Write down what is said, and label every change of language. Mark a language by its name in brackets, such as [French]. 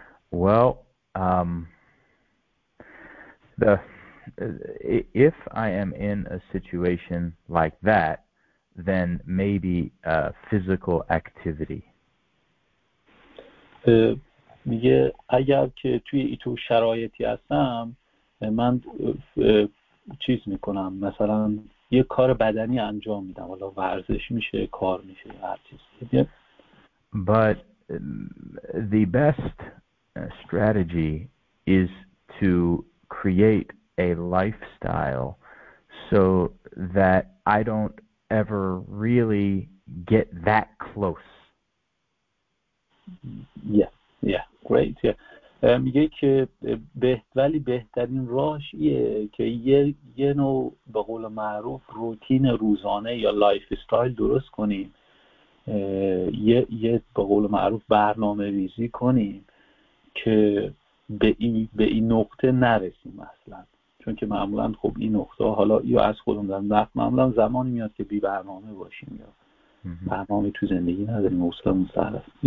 [English] Well, if I am in a situation like that, then maybe physical activity. [Persian] میگه اگر که توی ایتو شرایطی هستم، من چیز میکنم، مثلا یه کار بدنی انجام میدم، حالا ورزش میشه، کار میشه، هر چیز. [English] But the best strategy is to create a lifestyle so that I don't ever really get that close. Great. [Persian] میگه که ولی بهترین راهش ایه که یه نوع به قول معروف روتین روزانه یا لایف استایل درست کنیم، یه به قول معروف برنامه ریزی کنیم که به این نقطه نرسیم اصلا، چون که معمولا خب این نقطه، حالا یا از خودم دارم وقت، معمولا زمانی میاد که بی برنامه باشیم یا برنامه تو زندگی نداریم، اصلا مصرف.